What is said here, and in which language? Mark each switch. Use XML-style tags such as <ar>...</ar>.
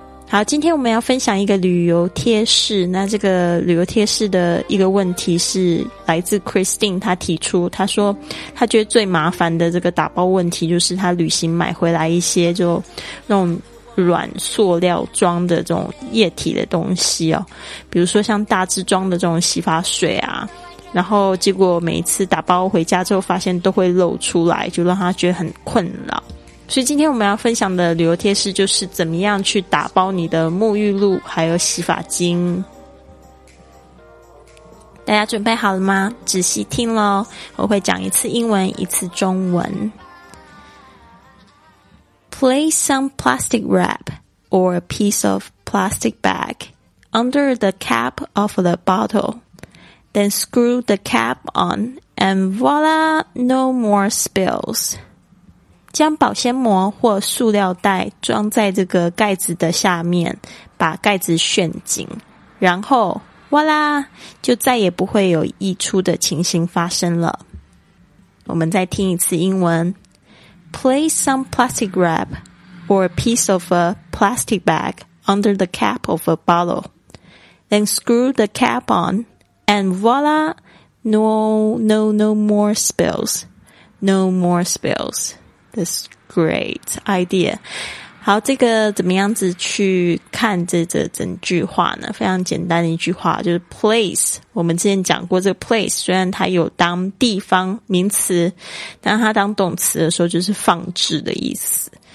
<zh>好，今天我们要分享一个旅游贴士。那这个旅游贴士的一个问题是来自 Christine， 她提出，她说她觉得最麻烦的这个打包问题就是她旅行买回来一些就那种软塑料装的这种液体的东西哦，比如说像大支装的这种洗发水啊，然后结果每一次打包回家之后发现都会漏出来，就让她觉得很困扰。所以今天我们要分享的旅游贴士就是怎么样去打包你的沐浴露还有洗发精。大家准备好了吗？仔细听咯，我会讲一次英文一次中文。</zh> <en>Place some plastic wrap or a piece of plastic bag under the cap of the bottle. Then screw the cap on and voila, no more spills.</en> <zh>将保鲜膜或塑料袋装在这个盖子的下面，把盖子旋紧，然后哇啦，就再也不会有溢出的情形发生了。我们再听一次英文。</zh> <en>Place some plastic wrap or a piece of a plastic bag under the cap of a bottle. Then screw the cap on and voila, no more spills. No more spills. This great idea.</en> <zh>好，这个怎么样子去看这整句话呢？非常简单的一句话，就是 place。我们之前讲过，这个 place 虽然它有当地方名词，但它当动词的时候就是放置的意思。</zh>